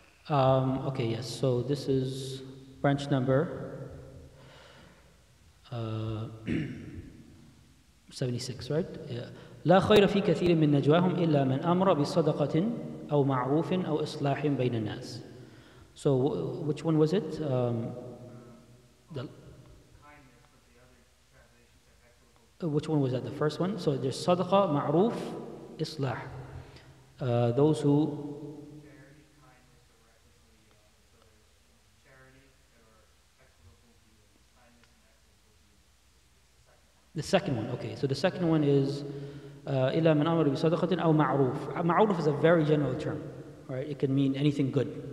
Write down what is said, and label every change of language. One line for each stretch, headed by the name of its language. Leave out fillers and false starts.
English: Okay, yes, so this is branch number 76, right?
Arabic: لا خير في كثير من نجواهم إلا من أمر بصدقة أو معروف أو إصلاح بين الناس.
English: So which one was it? Which one was that, the first one? So there's صدقه, معروف, إصلاح. Those who... The second one, okay. So the second one is
Arabic: إِلَى مَنْ أَمَرُ بِصَدَقَةٍ أَوْ مَعْرُوفٍ.
English: Ma'ruf is a very general term, right? It can mean anything good.